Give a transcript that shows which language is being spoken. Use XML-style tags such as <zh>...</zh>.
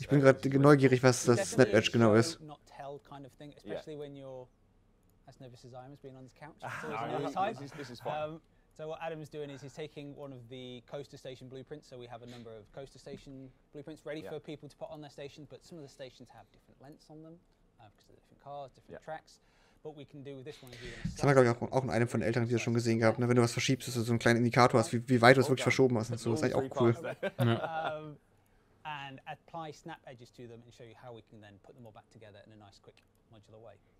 <de>Ich bin gerade neugierig, was das Snap Edge genau ist.</de> <en>Not tell kind of thing, especially when you're as nervous as I am as being on this couch. This is fine. So what Adam's doing is he's taking one of the coaster station blueprints. So we have a number of coaster station blueprints ready for people to put on their station. But some of the stations have different lengths on them because of different cars, different tracks. But we can do with this one.</en> <de>Das haben wir, glaube ich, auch in einem von den Älteren, die das schon gesehen gehabt. Ne? Wenn du was verschiebst, dass du so einen kleinen Indikator hast, wie weit du es wirklich verschoben hast. Und so. Das ist eigentlich auch cool.</de> <en>And apply snap edges to them and show you how we can then put them all back together in a nice, quick, modular way.</en>